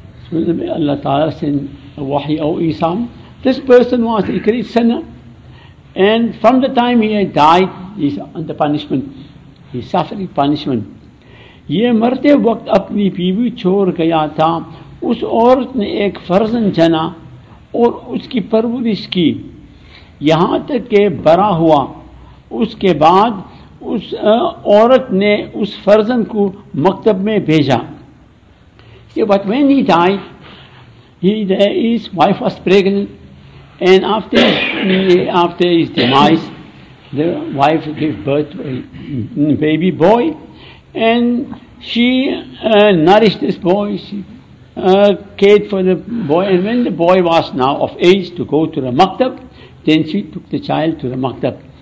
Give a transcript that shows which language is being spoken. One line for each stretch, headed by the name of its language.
English: So Allah Ta'ala sent wahi, O Isa, this person was a great sinner, and from the time he had died, he's under punishment, he's suffering punishment.
Urdu: یہ مرتے وقت اپنی بیوی چھوڑ گیا تھا, اس عورت نے ایک فرزند جنا اور اس کی پرورش کی یہاں تک کہ بڑا ہوا. اس کے بعد اس عورت نے اس فرزند کو مکتب میں بھیجا.
English: But when he died, his wife was pregnant, and after his demise, the wife gave birth to a baby boy, and she nourished this boy, she cared for the boy, and when the boy was now of age to go to the maktab, then she took the child to the maktab.